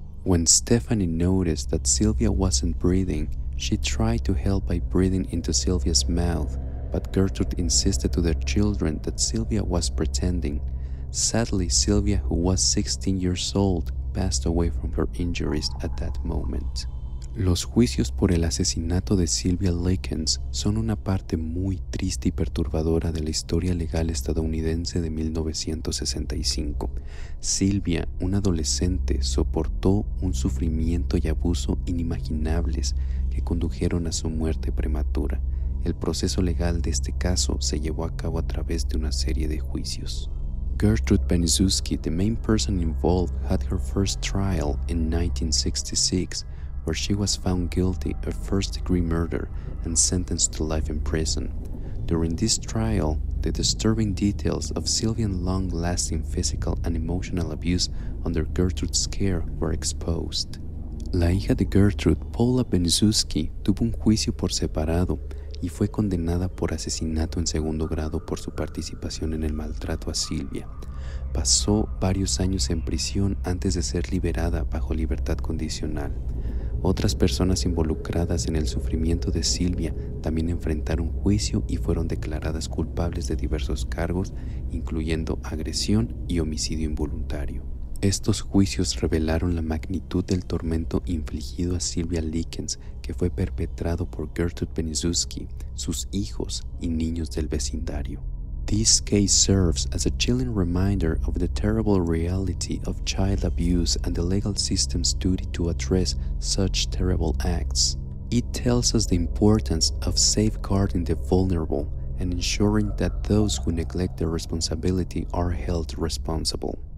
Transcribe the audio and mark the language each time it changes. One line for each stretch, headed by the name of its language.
English: When Stephanie noticed that Sylvia wasn't breathing, she tried to help by breathing into Sylvia's mouth, but Gertrude insisted to their children that Sylvia was pretending. Sadly, Sylvia, who was 16 years old, passed away from her injuries at that moment.
Spanish: Los juicios por el asesinato de Sylvia Likens son una parte muy triste y perturbadora de la historia legal estadounidense de 1965. Sylvia, una adolescente, soportó un sufrimiento y abuso inimaginables que condujeron a su muerte prematura. El proceso legal de este caso se llevó a cabo a través de una serie de juicios.
English: Gertrude Benizuski, the main person involved, had her first trial in 1966, where she was found guilty of first-degree murder and sentenced to life in prison. During this trial, the disturbing details of Sylvia's long-lasting physical and emotional abuse under Gertrude's care were exposed.
Spanish: La hija de Gertrude, Paula Benizuski, tuvo un juicio por separado y fue condenada por asesinato en segundo grado por su participación en el maltrato a Sylvia. Pasó varios años en prisión antes de ser liberada bajo libertad condicional. Otras personas involucradas en el sufrimiento de Sylvia también enfrentaron juicio y fueron declaradas culpables de diversos cargos, incluyendo agresión y homicidio involuntario. Estos juicios revelaron la magnitud del tormento infligido a Sylvia Likens, que fue perpetrado por Gertrude Benizuski, sus hijos y niños del vecindario.
English: This case serves as a chilling reminder of the terrible reality of child abuse and the legal system's duty to address such terrible acts. It tells us the importance of safeguarding the vulnerable and ensuring that those who neglect their responsibility are held responsible.